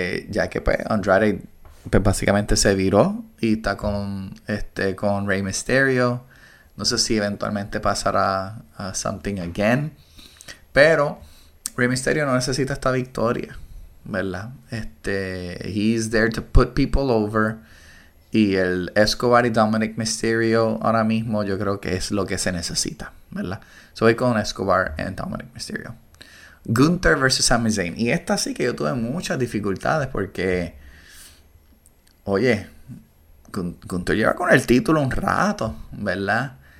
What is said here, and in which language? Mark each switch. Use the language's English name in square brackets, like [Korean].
[Spanish] Ya que pues Andrade pues básicamente se viró y está con Rey Mysterio. No sé si eventualmente pasará a [English] something again. [Spanish] Pero Rey Mysterio no necesita esta victoria, ¿verdad? [English] He's there to put people over. [Spanish] Y el Escobar y Dominic Mysterio ahora mismo yo creo que es lo que se necesita, ¿verdad? Soy con Escobar y Dominic Mysterio. Gunther versus Sami Zayn. Y esta sí que yo tuve muchas dificultades porque, oye, Gunther lleva con el título un rato, ¿verdad?